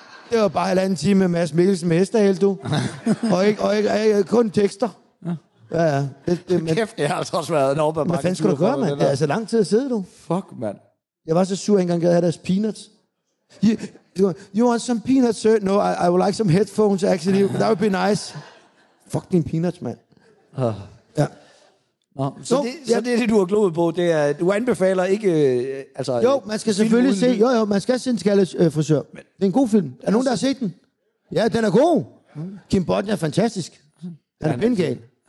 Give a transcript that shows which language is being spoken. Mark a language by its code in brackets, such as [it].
[da] Det var bare en eller anden time med Mads Mikkelsen med hestehæl, du. og ikke, kun tekster. Ja, ja. Kæft, det har altså også været en op ad bakken. Hvad fanden skal du gøre, mand? Det er altså lang tid at sidde, du. Fuck, mand. Jeg var så sur, engang jeg havde deres peanuts. [en] You want some peanuts, sir? No, I would like some headphones, actually. That would be nice. [da] Fuck din peanuts, mand. Ja. Så det er det, du har glovet på. Det er, du anbefaler ikke... altså, jo, man skal selvfølgelig se... Jo, man skal se en skaldes frisør. Men, det er en god film. Er nogen, der har set den? Ja, den er god. Kim Bodden er fantastisk. Han er pindgal.